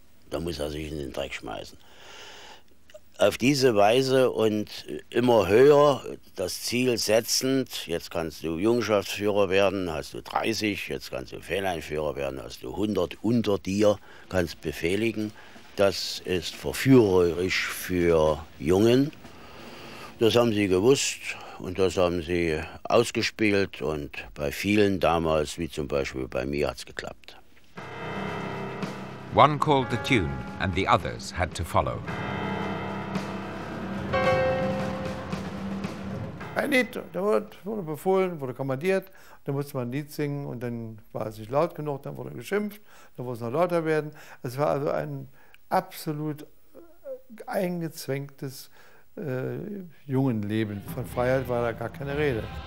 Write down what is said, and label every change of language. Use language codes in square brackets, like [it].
[de] Da muss er sich in den Dreck schmeißen. Auf diese Weise und immer höher das Ziel setzend, jetzt kannst du Jungschaftsführer werden, hast du 30, jetzt kannst du Fähnleinführer werden, hast du 100 unter dir, kannst befehligen. Das ist verführerisch für Jungen. Das haben sie gewusst und das haben sie ausgespielt und bei vielen damals, wie zum Beispiel bei mir, hat es geklappt. [en] One called the tune and the others had to follow. [de] Ein Lied, da wurde befohlen, wurde kommandiert, da musste man ein Lied singen und dann war es nicht laut genug, dann wurde geschimpft, dann wurde es noch lauter werden. Es war also ein absolut eingezwängtes Jungenleben. Von Freiheit war da gar keine Rede.